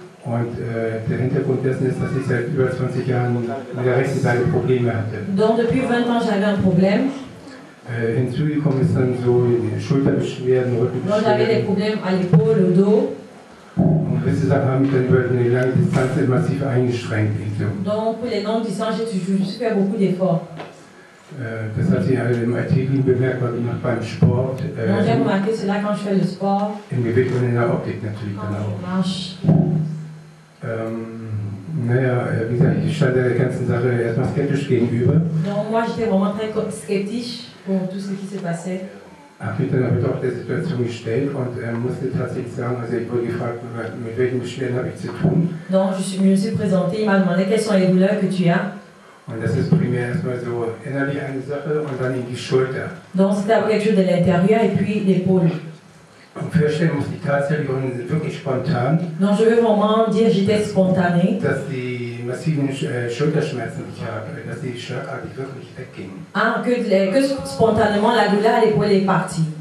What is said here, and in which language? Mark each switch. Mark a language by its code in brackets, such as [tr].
[de] Und der Hintergrund dessen ist, dass ich seit über 20 Jahren wieder rechtsseitige Probleme hatte. [fr] Donc depuis 20 ans j'avais un problème. [de] Hinzugekommen ist dann so Schulterbeschwerden, Rückenbeschwerden. [fr] J'avais des problèmes à l'épaule, au dos. [de] Und diese Sachen haben mich dann über eine lange Distanz massiv eingeschränkt. [fr] Donc pour les longues distances, j'ai toujours fait beaucoup d'efforts. [de] Das hat sich halt im Alltäglichen bemerkt, weil ich mache beim Sport. [fr] J'ai remarqué cela quand je fais le sport. [de] Im Gewicht und in der Optik natürlich dann auch. Wie gesagt, ich stand der ganzen Sache erstmal skeptisch gegenüber. [fr] Donc moi j'étais vraiment très skeptisch pour tout ce qui s'est passé. [de] Hab mich dann aber doch der Situation gestellt und musste tatsächlich sagen, also ich wurde gefragt, mit welchen Beschwerden habe ich zu tun. [fr] Donc je me suis présenté, il m'a demandé quelles sont les douleurs que tu as. [de] Und das ist primär erstmal so innerlich eine Sache und dann in die Schulter. [fr] Donc c'était quelque chose de l'intérieur et puis l'épaule. [de] Und feststellen musste ich tatsächlich und wirklich spontan. [fr] Donc je veux vraiment dire, j'étais spontané. [de] Dass die massiven Schulterschmerzen, die ich habe, dass die schlagartig wirklich weggingen. [fr] Ah, que spontanément la douleur à l'épaule est partie.